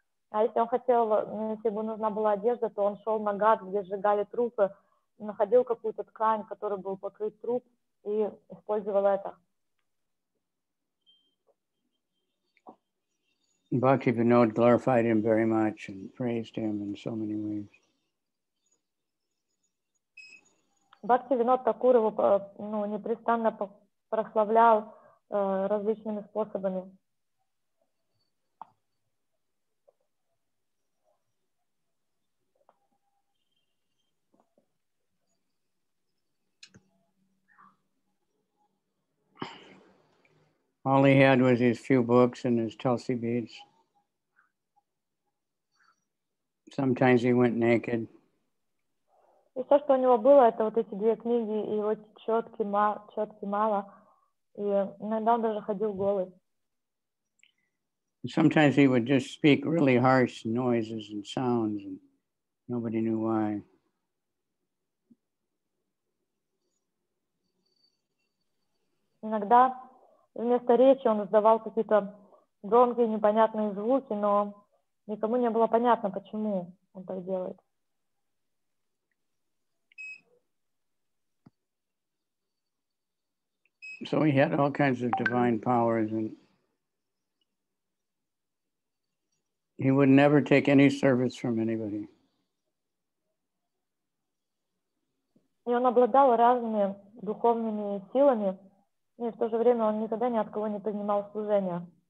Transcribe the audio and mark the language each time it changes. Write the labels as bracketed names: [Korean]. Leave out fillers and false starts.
[Russian] А если он хотел, если ему нужна была одежда, то он шел на гад, где сжигали трупы, находил какую-то ткань, которой был покрыт труп, и использовал это. [English] Бхакти Винод glorified him very much and praised him in so many ways. [Russian] Бхакти Винод Такур его непрестанно прославлял различными способами. [English] All he had was his few books and his Tulsi beads. Sometimes he went naked. [Russian] И все, что у него было, это вот эти две книги и его четки мала. И иногда он даже ходил голый. [English] Sometimes he would just speak really harsh noises and sounds, and nobody knew why. [Russian] Иногда вместо речи он издавал какие-то громкие непонятные звуки, но никому не было понятно, почему он так делает. [English] So he had all kinds of divine powers and he would never take any service from anybody. [Russian] И он обладал разными духовными силами, и в то же время он никогда ни от кого не принимал служения.